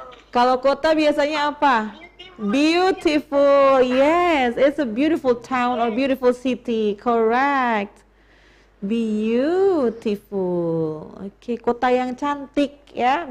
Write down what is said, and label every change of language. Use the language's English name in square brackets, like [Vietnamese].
[Indonesian] Kalau kota biasanya apa? [English] Beautiful. Yes, it's a beautiful town or beautiful city. Correct. Beautiful. [Indonesian] Okay, kota yang cantik ya.